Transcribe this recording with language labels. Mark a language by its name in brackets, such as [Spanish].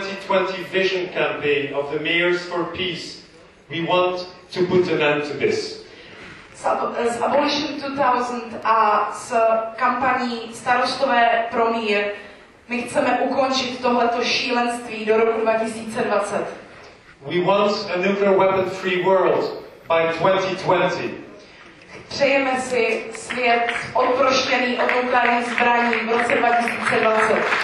[English] Of the Mayors for Peace, we want to put an end to this. [Czech] S Abolition 2000 a s kampaní Starostové pro mír, my chceme ukončit tohleto šílenství do roku 2020. [English] We want a nuclear weapon-free world by 2020. [Czech] Přejeme si svět oproštěný od nukleárních zbraní v roce 2020.